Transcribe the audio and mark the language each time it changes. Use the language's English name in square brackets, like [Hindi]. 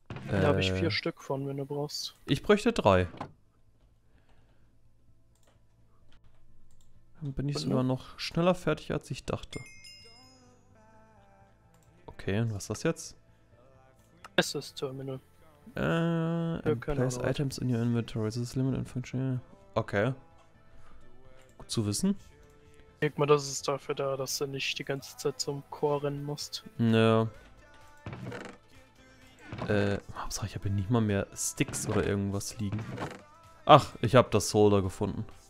[German] Da habe ich 4 Stück von, wenn du brauchst. Ich bräuchte 3. Dann bin ich sogar noch schneller fertig, als ich dachte. Okay, und was ist das jetzt? Access Terminal. [English] Place items in your inventory. This is limited and functional. [German] Okay. Gut zu wissen. Ich denke mal, das ist dafür da, dass du nicht die ganze Zeit zum Chor rennen musst. Nö. Hauptsache, ich habe hier nicht mal mehr Sticks oder irgendwas liegen. Ach, ich habe das Solder gefunden.